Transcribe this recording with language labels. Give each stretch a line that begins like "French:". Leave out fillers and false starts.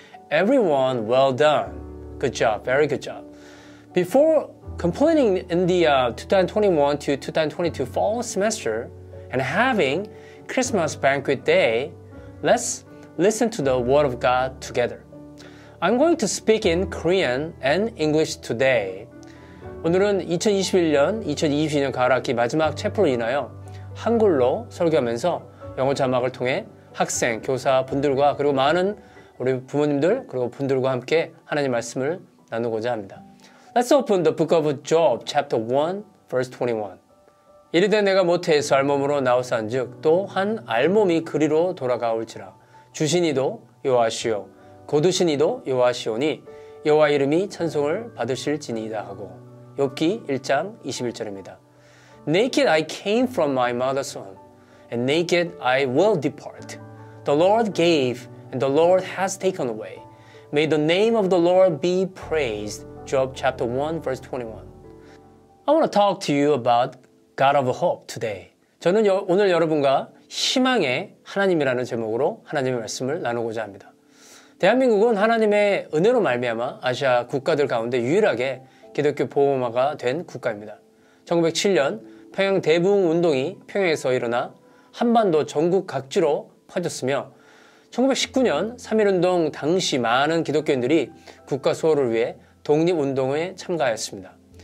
English: Everyone, well done. Good job, very good job. Before completing in the 2021 to 2022 fall semester and having Christmas banquet day, let's listen to the Word of God together. I'm going to speak in Korean and English today.
Korean: 오늘은 2021년, 2022년 가을학기 마지막 챕터로 인하여 한글로 설교하면서 영어 자막을 통해 학생, 교사분들과 그리고 많은 우리 부모님들 그리고 분들과 함께 하나님 말씀을 나누고자 합니다.
English: Let's open the book of Job, chapter 1, verse 21.
Korean: 이르되 내가 모태에서 알몸으로 나오사한즉 또한 알몸이 그리로 돌아가올지라. 주신이도 여호와시오, 거두신이도 여호와시오니 여호와 이름이 찬송을 받으실지니이다 하고. 욥기 1장 21절입니다.
English: Naked I came from my mother's womb, and naked I will depart. The Lord gave, and the Lord has taken away. May the name of the Lord be praised. Job chapter 1 verse 21. I want to talk to you about God of hope today.
Korean: 저는 오늘 여러분과 희망의 하나님이라는 제목으로 하나님의 말씀을 나누고자 합니다. 대한민국은 하나님의 은혜로 말미암아 아시아 국가들 가운데 유일하게 기독교 보호마가 된 국가입니다. 1907년 평양 대부흥 운동이 평양에서 일어나 한반도 전국 각지로 퍼졌으며 1919년 3.1운동 당시 많은 기독교인들이 국가 수호를 위해 독립운동에 참가했습니다.